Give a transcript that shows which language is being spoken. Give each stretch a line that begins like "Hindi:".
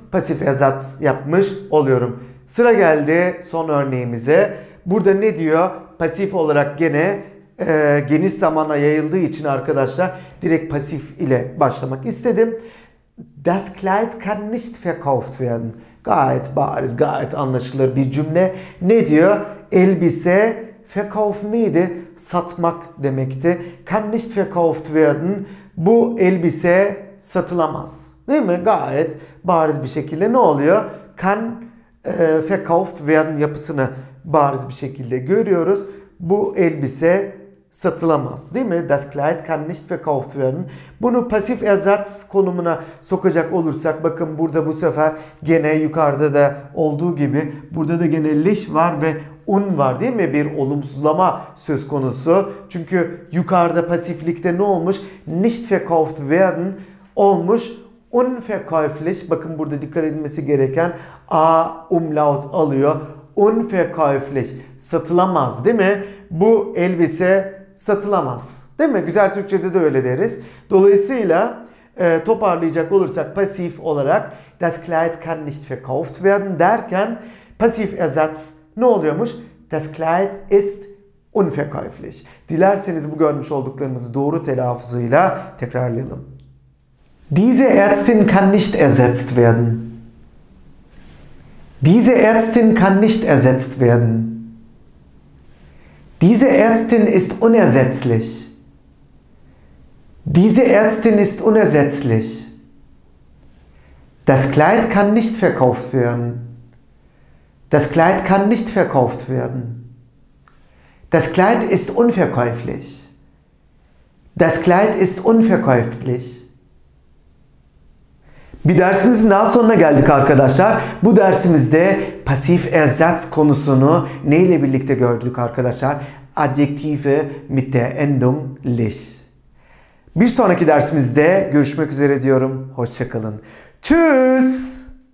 Turkish: Pasif ersatz yapmış oluyorum. Sıra geldi son örneğimize. Burada ne diyor? Pasif olarak gene geniş zamana yayıldığı için arkadaşlar direkt pasif ile başlamak istedim.
German: Das Kleid kann nicht verkauft werden.
Turkish: Gayet bariz, gayet anlaşılır bir cümle. Ne diyor? Elbise verkauft neydi? Satmak demekti.
German: Kann nicht verkauft werden.
Turkish: Bu elbise satılamaz. Değil mi? Gayet bariz bir şekilde ne oluyor?
German: Kann verkauft werden
Turkish: yapısını bariz bir şekilde görüyoruz. Bu elbise satılamaz, değil mi?
German: Das Kleid kann nicht verkauft werden.
Turkish: Bunu pasif ersatz konumuna sokacak olursak bakın burada bu sefer gene yukarıda da olduğu gibi burada da gene lich var ve un var, değil mi? Bir olumsuzlama söz konusu. Çünkü yukarıda pasiflikte ne olmuş?
German: Nicht verkauft werden
Turkish: olmuş. Unverkäuflich, bakın burada dikkat edilmesi gereken A umlaut alıyor. Unverkäuflich, satılamaz, değil mi? Bu elbise satılamaz, değil mi? Güzel Türkçe'de de öyle deriz. Dolayısıyla toparlayacak olursak pasif olarak
German: Das Kleid kann nicht verkauft werden
Turkish: derken pasif ersatz ne oluyormuş?
German: Das Kleid ist unverkäuflich.
Turkish: Dilerseniz bu görmüş olduklarımızı doğru telaffuzuyla tekrarlayalım.
German: Diese Ärztin kann nicht ersetzt werden. Diese Ärztin kann nicht ersetzt werden. Diese Ärztin ist unersetzlich. Diese Ärztin ist unersetzlich. Das Kleid kann nicht verkauft werden. Das Kleid kann nicht verkauft werden. Das Kleid ist unverkäuflich. Das Kleid ist unverkäuflich.
Turkish: Bir dersimizin daha sonuna geldik arkadaşlar. Bu dersimizde pasif ersatz konusunu neyle birlikte gördük arkadaşlar?
German: Adjektive mit der Endung lich.
Turkish: Bir sonraki dersimizde görüşmek üzere diyorum. Hoşça kalın.
German: Tschüss.